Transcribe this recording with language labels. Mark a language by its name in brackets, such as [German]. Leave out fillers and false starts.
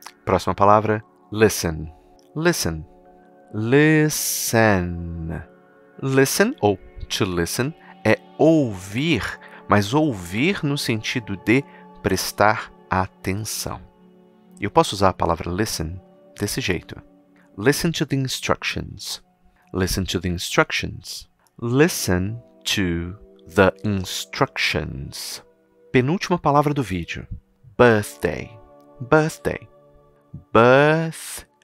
[Portuguese] Próxima palavra, listen. Listen. Listen. Listen, ou to listen, é ouvir, mas ouvir no sentido de prestar atenção. Eu posso usar a palavra listen desse jeito. [English] Listen to the instructions. Listen to the instructions. Listen to the instructions. [Portuguese] Penúltima palavra do vídeo. Birthday. Birthday. Birthday.